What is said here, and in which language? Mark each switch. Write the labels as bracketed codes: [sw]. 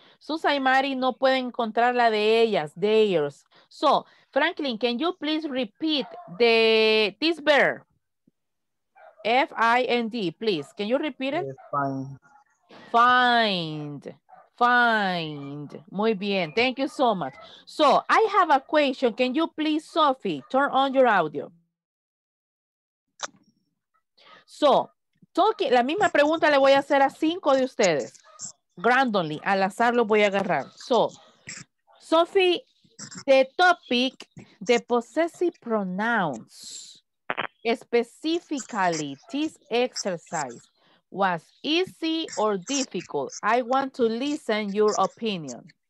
[es] Susan y Mari no pueden encontrar la de ellas, [en] theirs. So, Franklin, can you please repeat the this verb? F-I-N-D, please. Can you repeat it? Find. Find. [es] Muy bien. [en] Thank you so much. So, I have a question. Can you please, Sophie, turn on your audio? So, talking, [es] la misma pregunta le voy a hacer a cinco de ustedes. [en] Randomly, [es] al azar lo voy a agarrar. [en] So, Sophie, the topic, the possessive pronouns, specifically this exercise, was easy or difficult? I want to listen your opinion.